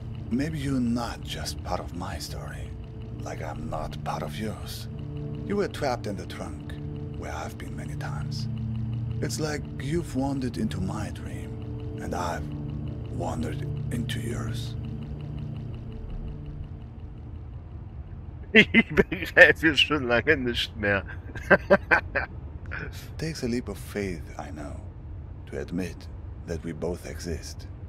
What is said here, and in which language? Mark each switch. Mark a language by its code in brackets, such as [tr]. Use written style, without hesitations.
[en] Maybe you're not just part of my story, like I'm not part of yours. You were trapped in the trunk, where I've been many times. It's like you've wandered into my dream, and I've wandered into yours. [de] Ich begreife schon lange nicht mehr. [en] It takes a leap of faith, I know, to admit that we both exist.